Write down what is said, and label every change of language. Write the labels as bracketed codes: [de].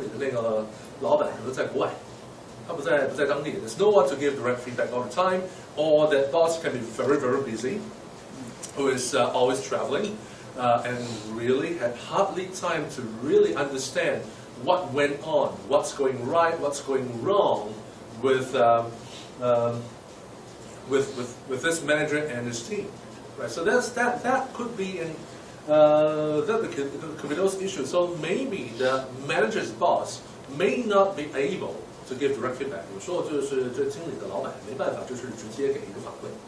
[zh] 就这个变态经理的那个老板可能在国外。他不在当地, [en] there's no one to give direct feedback all the time, or that boss can be very, very busy, who is always traveling, and really had hardly time to really understand what went on, what's going right, what's going wrong with this manager and his team. Right? So that could be those issues. So maybe the manager's boss may not be able to give direct feedback. [zh] 有时候就是这经理的老板没办法，就是直接给一个反馈。